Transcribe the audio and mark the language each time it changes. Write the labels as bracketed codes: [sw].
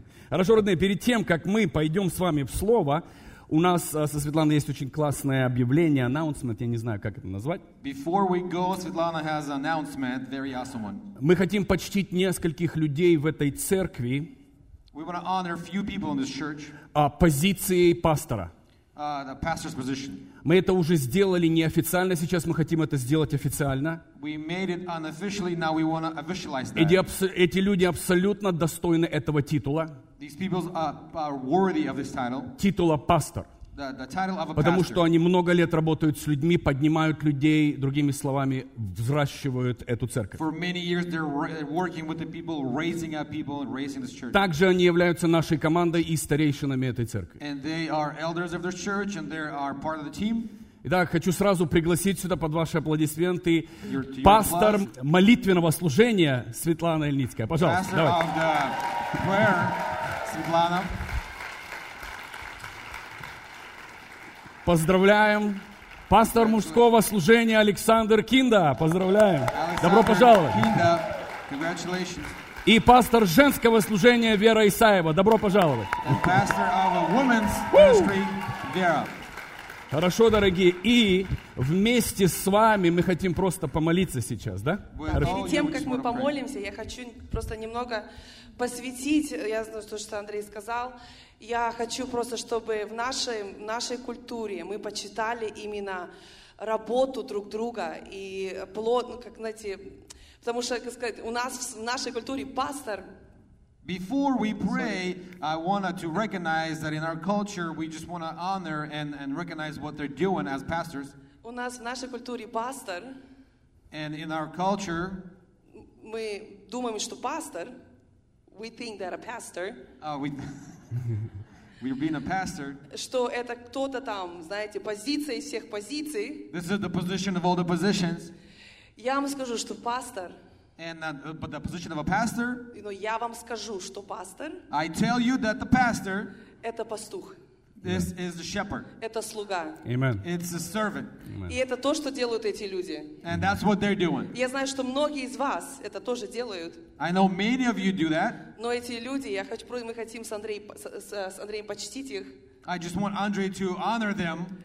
[ru] Хорошо, родные, перед тем, как мы пойдем с вами в слово, у нас со Светланой есть очень классное объявление, анонсмент, я не знаю, как это назвать. [en] Before we go, Светлана has an announcement, very awesome one. [ru] Мы хотим почтить нескольких людей в этой церкви. [en] We want to honor a few people in this church. [ru] Позицией пастора. [en] The pastor's position. [ru] Мы это уже сделали неофициально, сейчас мы хотим это сделать официально. [en] We made it unofficially, now we want to officialize that. [ru] Эти люди абсолютно достойны этого титула. [en] These people are worthy of this title. [ru] Титула пастор. [en] The title of a [ru] потому [en] pastor. [ru] Что они много лет работают с людьми, поднимают людей, другими словами, взращивают эту церковь. [en] For many years they're working with the people, raising up people and raising this church. [ru] Также они являются нашей командой и старейшинами этой церкви. [en] And they are elders of their church and they are part of the team. [ru] Итак, хочу сразу пригласить сюда под ваши аплодисменты пастор молитвенного служения Светлана Ильницкая. Пожалуйста, давайте. [en] Pastor of the prayer, Светлана. [ru] Поздравляем. Пастор мужского служения Александр Кинда. Поздравляем. [en] Alexander, [ru] добро пожаловать. [en] Kinda. Congratulations. [ru] И пастор женского служения Вера Исаева. Добро пожаловать. [en] And pastor of a women's ministry, Vera. [ru] Хорошо, дорогие. И вместе с вами мы хотим просто помолиться сейчас, да? Перед тем, как мы помолимся, я хочу просто немного посвятить, я знаю, то, что Андрей сказал, я хочу просто, чтобы в нашей культуре мы почитали именно работу друг друга и плод, ну, как, знаете, потому что, как сказать, у нас в нашей культуре пастор. [en] Before we pray, I wanted to recognize that in our culture we just want to honor and recognize what they're doing as pastors. [ru] У нас в нашей культуре пастор. [en] And in our culture, [ru] мы думаем, что пастор. [en] We think that a pastor. We're being a pastor. [ru] Что это кто-то там, знаете, позиция из всех позиций. [en] This is the position of all the positions. [ru] Я вам скажу, что пастор. [en] And but the position of a pastor. [ru] Но я вам скажу, что пастор. [en] I tell you that the pastor. [ru] Это пастух. [en] This is the shepherd. [ru] Это слуга. [en] Amen. It's a servant. Amen. [ru] И это то, что делают эти люди. [en] And that's what they're doing. [ru] Я знаю, что многие из вас это тоже делают. [en] I know many of you do that. [ru] Но эти люди, мы хотим с Андреем почтить их. [en] I just want Andre to honor them.